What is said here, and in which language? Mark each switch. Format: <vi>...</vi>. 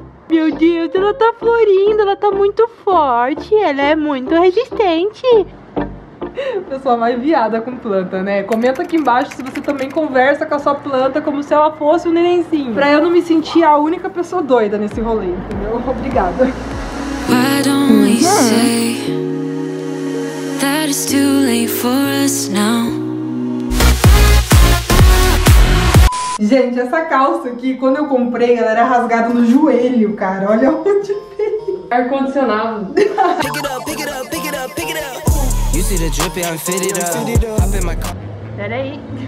<pt>Meu Deus, ela tá florindo, ela tá muito forte, ela é muito resistente. Pessoa mais viada com planta, né? Comenta aqui embaixo se você também conversa com a sua planta como se ela fosse um nenenzinho. Pra eu não me sentir a única pessoa doida nesse rolê, entendeu? Obrigada.</pt> <en>Why don't we say that it's too late for us now?</en> <pt>Gente, essa calça aqui, quando eu comprei, ela era rasgada no joelho, cara. Olha onde veio. Ar-condicionado. Peraí.</pt>